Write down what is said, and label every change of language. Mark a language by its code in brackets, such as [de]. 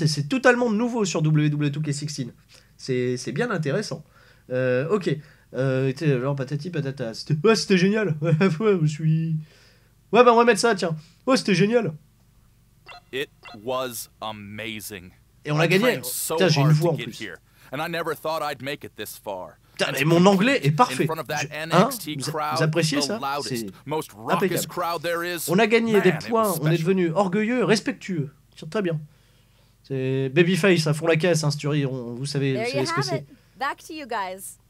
[fr] C'est totalement nouveau sur WWE 2K16. C'est bien intéressant. Ok. Genre patati patata. C'était génial. Ouais, je suis... Ouais, ben, on va mettre ça, tiens. Ouais, c'était génial. [en] It was amazing. [fr] Et on a gagné. Putain, j'ai une voix en plus. [en] And I never thought I'd make it this far. [fr] Putain, mais mon anglais est parfait. Vous appréciez ça? C'est impeccable. On a gagné des points, on est devenu orgueilleux, respectueux. C'est très bien. C'est Babyface à fond la caisse, hein, Sturi. Vous savez ce que c'est. [en] Back to you guys.